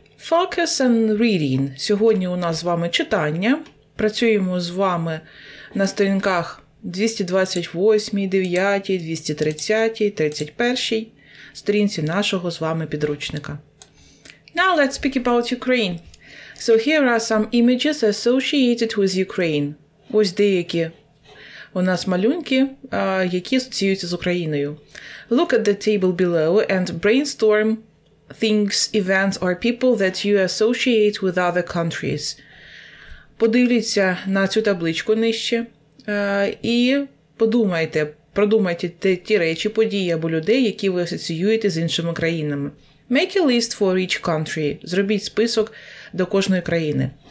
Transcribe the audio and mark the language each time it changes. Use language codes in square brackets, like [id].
[en] Focus and reading. [uk] Сьогодні у нас з вами читання. Працюємо з вами на сторінках 228, 9, 230, 31 сторінці нашого з вами підручника. [en] Now let's speak about Ukraine. So here are some images associated with Ukraine. [uk] Ось деякі у нас малюнки, які асоціюються з Україною. [en] Look at the table below and brainstorm things, events or people that you associate with other countries. [uk] Подивіться на цю табличку нижче. І подумайте, продумайте ті речі, події або людей, які ви асоціюєте з іншими країнами. [en] Make a list for each country. [uk] Зробіть список до кожної країни.